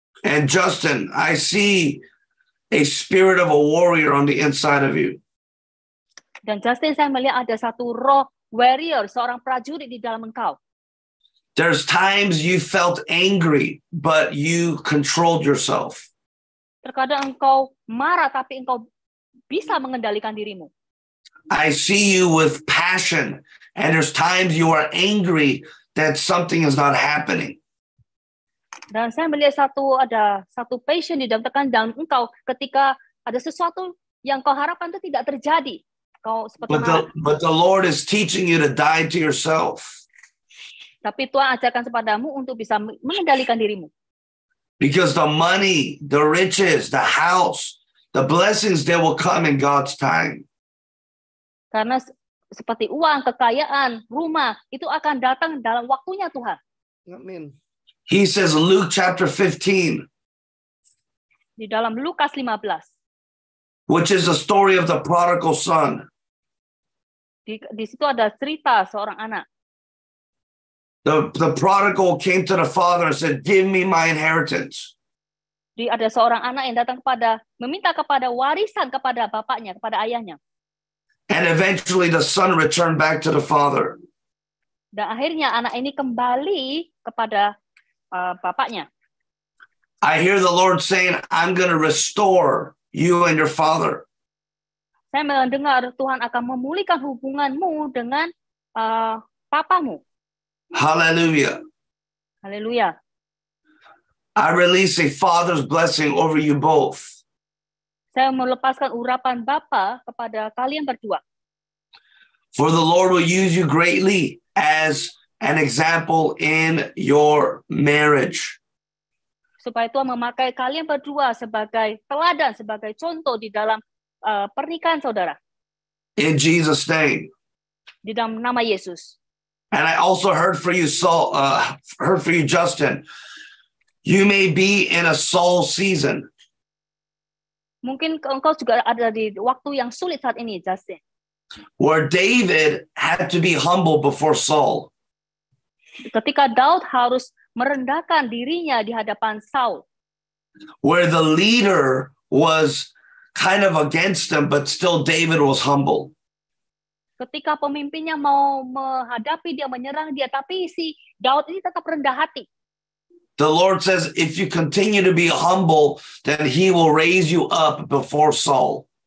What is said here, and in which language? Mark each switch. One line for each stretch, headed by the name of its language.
English: And Justin, I see a spirit of a warrior on the inside of you.
Indonesian: Dan Justin, saya melihat ada satu roh warrior, seorang prajurit di dalam engkau.
English: There's times you felt angry, but you controlled yourself.
Indonesian: Terkadang engkau marah, tapi engkau bisa mengendalikan dirimu.
English: I see you with passion, and there's times you are angry that something is not happening.
Indonesian: Dan saya melihat ada satu passion di dalam tekanan engkau ketika ada sesuatu yang kau harapkan itu tidak terjadi. Kau seperti
English: But the Lord is teaching you to die to yourself.
Indonesian: Tapi Tuhan ajarkan kepadamu untuk bisa mengendalikan dirimu.
English: Because the money, the riches, the house, the blessings, they will come in God's time.
Indonesian: Karena seperti uang, kekayaan, rumah, itu akan datang dalam waktunya Tuhan. Amin.
English: He says Luke chapter 15.
Indonesian: Di dalam Lukas 15.
English: Which is the story of the prodigal son.
Indonesian: Di situ ada cerita seorang anak.
English: The prodigal came to the father and said, "Give me my inheritance."
Indonesian: Di ada seorang anak yang datang kepada meminta kepada warisan kepada bapaknya, kepada ayahnya.
English: And eventually the son returned back to the father.
Indonesian: Dan akhirnya anak ini kembali kepada bapaknya.
English: I hear the Lord saying, "I'm going to restore you and your father."
Indonesian: Saya mendengar Tuhan akan memulihkan hubunganmu dengan papamu.
English: Hallelujah.
Indonesian: Hallelujah.
English: I release a father's blessing over you both.
Indonesian: Saya melepaskan urapan bapa kepada kalian berdua.
English: For the Lord will use you greatly as an example in your marriage.
Indonesian: Supaya Tuhan memakai kalian berdua sebagai teladan, sebagai contoh di dalam pernikahan saudara.
English: In Jesus' name.
Indonesian: Di dalam nama Yesus.
English: And I also heard for you, Saul. Heard for you, Justin. You may be in a Saul season.
Indonesian: Mungkin engkau juga ada di waktu yang sulit saat ini, Justin.
English: Where David had to be humble before Saul.
Indonesian: Ketika Daud harus merendahkan dirinya di hadapan Saul.
English: Where the leader was kind of against him, but still David was humble.
Indonesian: Ketika pemimpinnya mau menghadapi dia, menyerang dia, tapi si Daud ini tetap rendah hati.
English: The Lord says, if you continue to be humble, then He will raise you up before Saul.